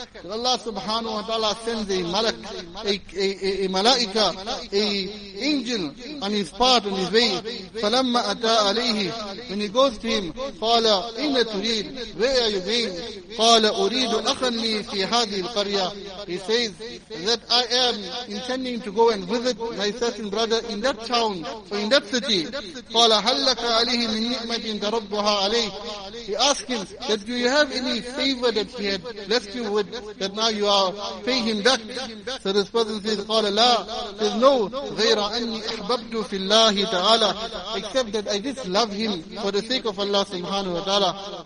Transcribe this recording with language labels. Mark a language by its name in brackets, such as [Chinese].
[English] Allah subhanahu wa ta'ala sends a malak, a malaika, a angel on his path, on his way. [Arabic] فلما أتى عليه, [English] when he goes to him, [Arabic] قال إن تريد, [English] where are you going? [Arabic] قال أريد أخني في هذه القرية. [English] He says that I am intending to go and visit my certain brother in that town or in that city. [Arabic] قال هل لك عليه من نعمة تربها عليه. [English] He asked him that, do you have any favor that he had left you with that now you are paying him back? So this person says, [Arabic] قَالَ لَا. [English] Says, no, [Arabic] غَيْرَ أَنِّي أَحْبَبْتُ فِي اللَّهِ تَعَالَى. [English] Except that I just love him for the sake of Allah subhanahu wa ta'ala.